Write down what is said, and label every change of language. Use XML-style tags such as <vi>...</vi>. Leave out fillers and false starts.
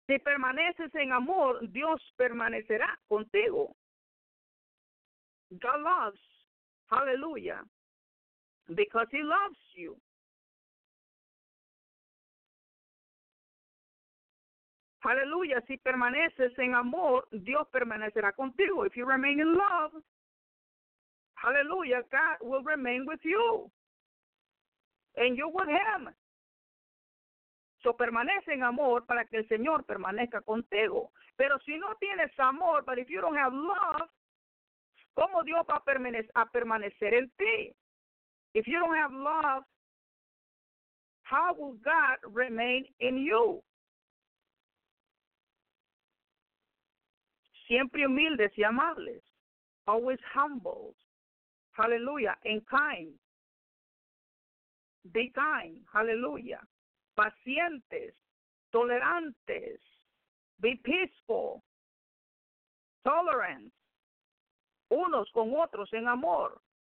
<es>Si permaneces en amor, Dios permanecerá contigo.</es> <en>God loves. Hallelujah. Because He loves you. Hallelujah.</en> <es>Si permaneces en amor, Dios permanecerá contigo.</es> <en>If you remain in love, hallelujah, God will remain with you. And you with Him.</en> <es>So permanece en amor para que el Señor permanezca contigo. Pero si no tienes amor,</es> <en>but if you don't have love,</en> <es>¿cómo Dios va a permanecer en ti?</es> <en>If you don't have love, how will God remain in you?</en> <es>Siempre humildes y amables.</es> <en>Always humble. Hallelujah. And kind. Be kind. Hallelujah.</en> <es>Pacientes, tolerantes,</es> <en>be peaceful, tolerant,</en> <es>unos con otros en amor.</es>